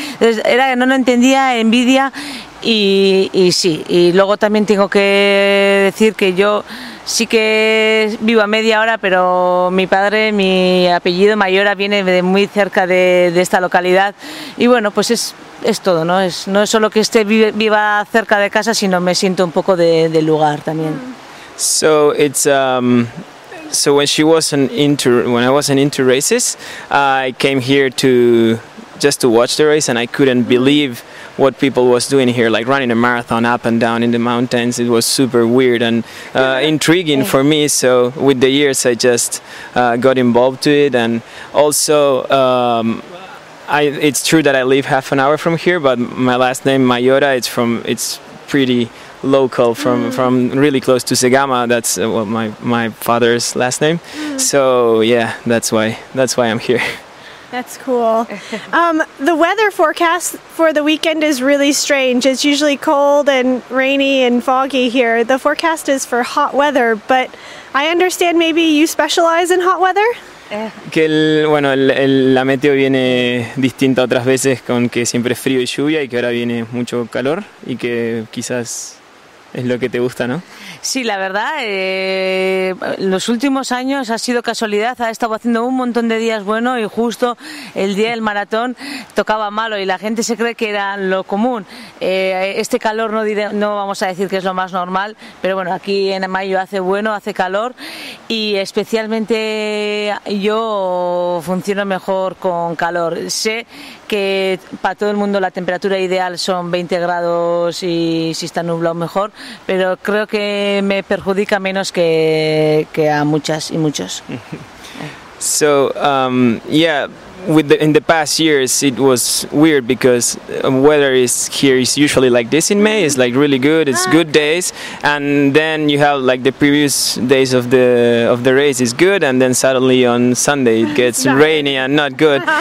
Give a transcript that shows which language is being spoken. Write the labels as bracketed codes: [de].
[es] Entonces, era que no lo entendía, envidia. Y luego también tengo que decir que yo sí que vivo a media hora, pero mi padre, mi apellido Maiora, viene de muy cerca de esta localidad. Y bueno, pues es todo, ¿no? No es solo que esté viva cerca de casa, sino me siento un poco de lugar también. [en] So it's so when she wasn't into when I wasn't into races, I came here to watch the race, and I couldn't believe what people was doing here, like running a marathon up and down in the mountains. It was super weird and intriguing for me. So with the years, I just got involved to it. And also, it's true that I live half an hour from here, but my last name, Maiora, it's pretty local from really close to Zegama. That's what my father's last name. So yeah, that's why I'm here. That's cool. The weather forecast for the weekend is really strange. It's usually cold and rainy and foggy here. The forecast is for hot weather, but I understand maybe you specialize in hot weather? [es] Que la meteo viene distinta otras veces, con que siempre es frío y lluvia, y que ahora viene mucho calor, y que quizás es lo que te gusta, ¿no? Sí, la verdad, los últimos años ha sido casualidad, ha estado haciendo un montón de días bueno y justo el día del maratón tocaba malo y la gente se cree que era lo común. Este calor no vamos a decir que es lo más normal, pero bueno, aquí en mayo hace bueno, hace calor y especialmente yo funciono mejor con calor. Sé que para todo el mundo la temperatura ideal son 20 grados y si está nublado mejor, pero creo que me perjudica menos que a muchas y muchos. [en] So yeah, in the past years it was weird because weather is here is usually like this in May. It's like really good. It's good days, and then you have like the previous days of the race is good, and then suddenly on Sunday it gets rainy and not good.